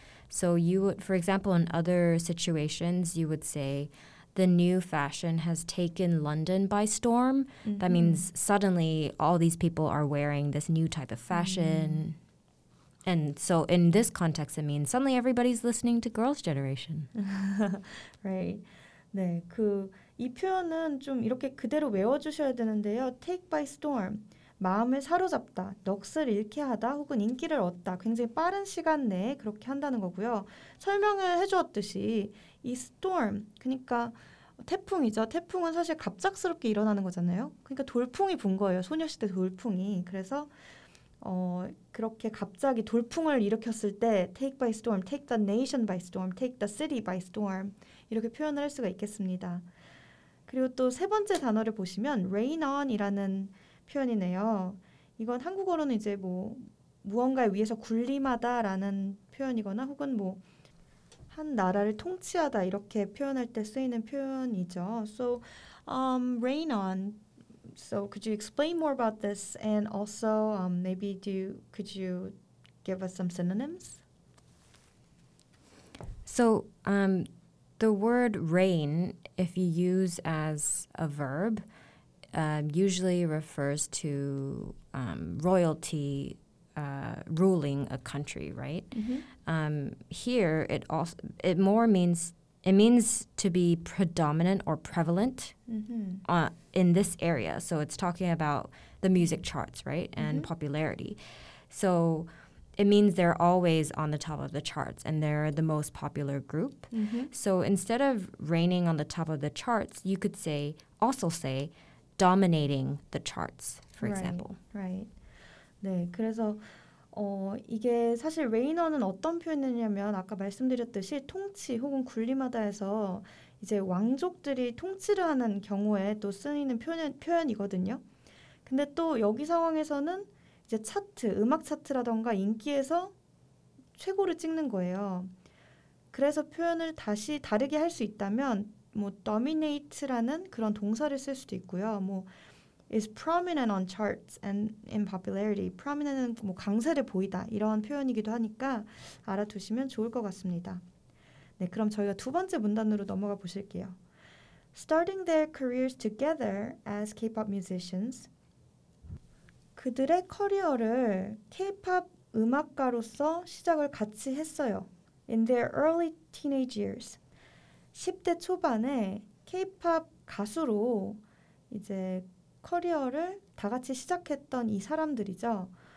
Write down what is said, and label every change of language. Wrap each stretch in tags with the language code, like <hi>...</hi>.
<en>So you would, for example, in other situations, you would say the new fashion has taken London by storm. That means suddenly all these people are wearing this new type of fashion. And so in this context, it means suddenly everybody's listening to Girls' Generation.</en> <ko>Right. 네, 그 이 표현은 좀 이렇게 그대로 외워주셔야 되는데요.</ko> <en>Take by storm.</en> <ko>마음을 사로잡다, 넋을 잃게 하다, 혹은 인기를 얻다. 굉장히 빠른 시간 내에 그렇게 한다는 거고요. 설명을 해주었듯이 이 storm, 그러니까 태풍이죠. 태풍은 사실 갑작스럽게 일어나는 거잖아요. 그러니까 돌풍이 분 거예요. 소녀시대 돌풍이. 그래서 그렇게 갑자기 돌풍을 일으켰을 때</ko> <en>take by storm, take the nation by storm,</en> <ko>take the city by storm 이렇게 표현을 할 수가 있겠습니다. 그리고 또 세 번째 단어를 보시면 rain on이라는 표현이네요. 이건 한국어로는 이제 뭐 무언가에 위해서 군림하다라는 표현이거나 혹은 뭐 한 나라를 통치하다 이렇게 표현할 때 쓰이는 표현이죠.</ko> <en>So, rain on. So, could you explain more about this? And also, maybe could you give us some synonyms? So, the word rain, if you use as a verb, usually refers to royalty ruling a country, right? Here, it means to be predominant or prevalent in this area. So it's talking about the music charts, right, and popularity. So it means they're always on the top of the charts and they're the most popular group. So instead of reigning on the top of the charts, you could say also say dominating the charts, for example. Right.</en> <ko>네, 그래서 이게 사실 reigner는 어떤 표현이냐면 아까 말씀드렸듯이 통치 혹은 군림하다에서 이제 왕족들이 통치를 하는 경우에 또 쓰이는 표현이거든요. 근데 또 여기 상황에서는 이제 차트, 음악 차트라던가 인기에서 최고를 찍는 거예요. 그래서 표현을 다시 다르게 할 수 있다면 뭐 dominate라는 그런 동사를 쓸 수도 있고요.</ko> <en>뭐 is prominent on charts and in popularity.</en> <ko>prominent은 뭐 강세를 보이다 이런 표현이기도 하니까 알아두시면 좋을 것 같습니다. 네, 그럼 저희가 두 번째 문단으로 넘어가 보실게요.</ko> <en>Starting their careers together as K-pop musicians.</en> <ko>그들의 커리어를 K-pop 음악가로서 시작을 같이 했어요.</ko> <en>In their early teenage years.</en> <ko>10대 초반에 K-pop 가수로 이제 커리어를 다 같이 시작했던 이 사람들이죠.</ko>